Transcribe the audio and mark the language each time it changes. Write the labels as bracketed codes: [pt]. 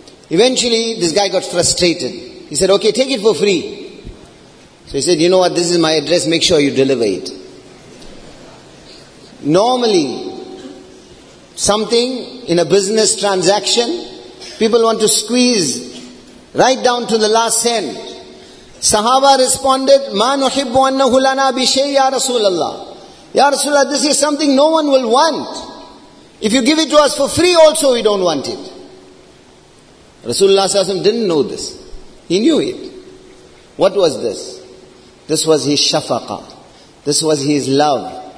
[en] Eventually, this guy got frustrated. He said, okay, take it for free. So he said, you know what, this is my address, make sure you deliver it. Normally, something in a business transaction, people want to squeeze right down to the last cent. [ar] Sahaba responded, مَا نُحِبُّ أَنَّهُ لَنَا بِشَيْءٍ يَا رَسُولَ اللَّهِ. [en] Ya Rasulullah, this is something no one will want. If you give it to us for free also, we don't want it. Rasulullah ﷺ didn't know this. He knew it. What was this? This was his shafaqa. This was his love.